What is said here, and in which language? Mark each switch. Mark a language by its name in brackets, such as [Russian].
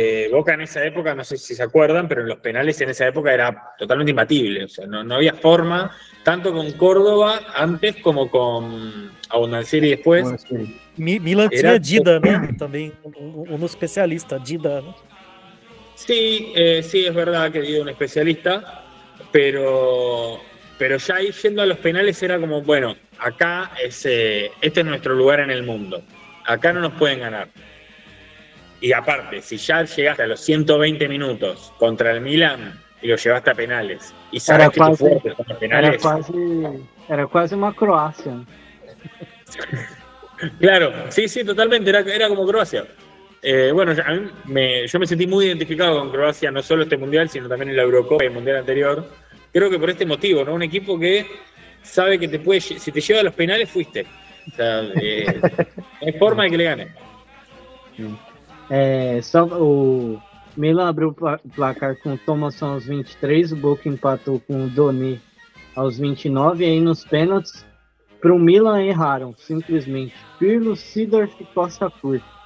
[Spanish] Boca en esa época, no sé si se acuerdan, pero en los penales en esa época era totalmente imbatible, o sea, no había forma, tanto con Córdoba antes como con Abundanzieri después. [Portuguese] Milan tinha Dida, né? Também um especialista, Dida, né? [Spanish] Sí, sí, es verdad que Dida es un especialista, pero ya ahí yendo a los penales era como, bueno, acá este es nuestro lugar en el mundo, acá no nos pueden ganar. Y aparte, si ya llegaste a los 120 minutos contra el Milan y lo llevaste a penales, y sabes era que casi, tú fuiste a penales... Era casi una Croacia. Claro, sí, totalmente, era como Croacia. Bueno, yo me sentí muy identificado con Croacia, no solo este Mundial, sino también en la Eurocopa y el Mundial anterior. Creo que por este motivo, ¿no? Un equipo que sabe que si te lleva a los penales, fuiste. O sea, hay forma de que le gane. [Portuguese] Só o Milan abriu o placar com o Thomasson aos 23, o Boca empatou com o Doni aos 29, e aí nos pênaltis, para o Milan erraram, simplesmente, Pirlo, Sidorf e Costa Curta,